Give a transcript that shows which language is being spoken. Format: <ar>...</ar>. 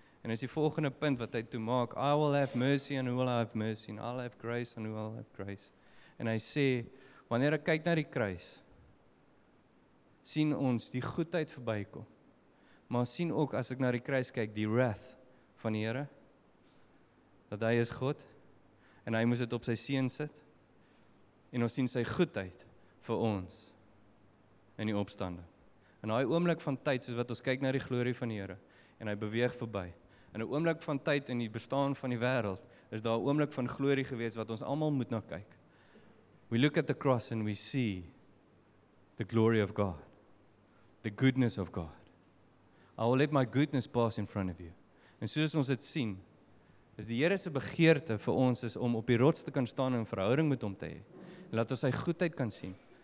<af>En is die volgende punt wat hy toe maak,</af> <en>I will have mercy and who will have mercy, and I'll have grace and who will have grace.</en> <af>En hy sê, wanneer ek kyk na die kruis, sien ons die goedheid verbykom. Maar sien ook, as ek na die kruis kyk, die wrath van die Here, dat hy is God, en hy moes dit op sy seun sit, en ons sien sy goedheid vir ons in die opstanding. In daai oomblik van tyd, soos wat ons kyk na die glorie van die Here, en hy beweeg verby. In 'n oomblik van tyd in die bestaan van die wêreld, is daar 'n oomblik van glorie gewees wat ons almal moet na kyk.</af> <en>We look at the cross and we see the glory of God. The goodness of God. I will let my goodness pass in front of you.</en> <af>En soos ons dit sien, is die Here se begeerte vir ons is om op die rots te kan staan en verhouding met hom te hê. En laat ons sy goedheid kan sien.</af>